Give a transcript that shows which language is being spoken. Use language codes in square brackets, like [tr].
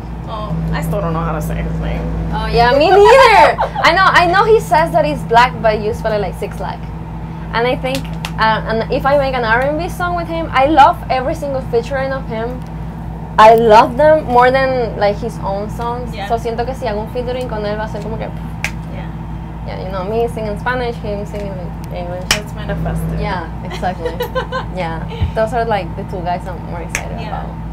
[en] Oh, I still don't know how to say his name. Oh yeah, me neither. I know he says that he's Black, but you spell it like Six Like. And I think And if I make an R&B song with him, I love every single featuring of him. I love them more than like his own songs. Yeah. [es] So siento que si hago un featuring con él va a ser como que... [en] Yeah. Yeah, you know, me singing Spanish, him singing English. It's manifested. Yeah, exactly. Yeah. Those are like the two guys I'm more excited about.